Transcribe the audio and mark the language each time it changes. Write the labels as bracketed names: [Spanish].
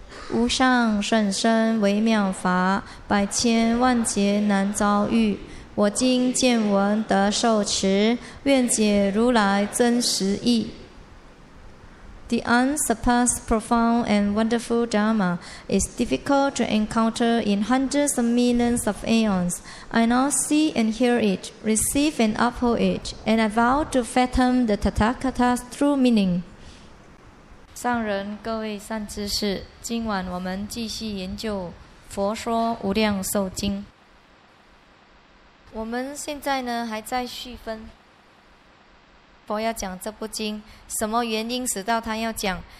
[Chinese] 无上甚深微妙法，百千万劫难遭遇。我今见闻得受持，愿解如来真实义。 [English] The unsurpassed, profound, and wonderful Dharma is difficult to encounter in hundreds of millions of aeons. I now see and hear it, receive and uphold it, and I vow to fathom the Tathagata's true meaning. [Chinese] 上人，各位善知识，今晚我们继续研究《佛说无量寿经》。我们现在呢，还在续分。佛要讲这部经，什么原因使到他要讲？